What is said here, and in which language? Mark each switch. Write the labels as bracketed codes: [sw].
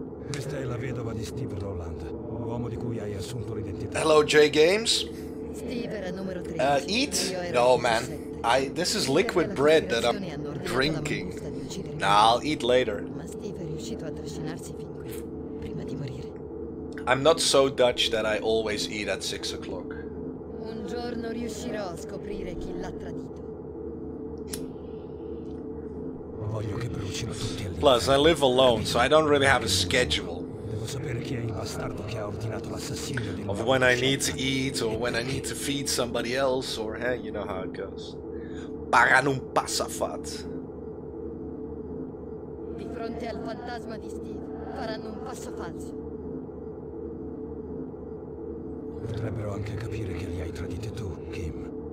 [it] Questa è la vedova di Steve Roland, l'uomo di cui hai assunto l'identità. [en] Hello, J Games. [it] Steve era numero [en] 13. Eat? No, man. This is liquid bread that I'm drinking. Nah, I'll eat later. [it] Ma Steve è riuscito a trascinarsi fin qui, prima di morire. [en] I'm not so Dutch that I always eat at 6 o'clock. [it] Un giorno riuscirò a scoprire chi l'ha tradito. Voglio che brucino tutti all'inferno. [en] Plus, I live alone, so I don't really have a schedule. [it] Devo sapere chi è il bastardo che ha ordinato l'assassinio di... [en] Of when I need to eat, or when I need to feed somebody else, or, hey, you know how it goes. [it] Pagan un passafat. Di fronte al fantasma di Steve, faranno un passo falso. Potrebbero anche capire che li hai tradite tu, Kim.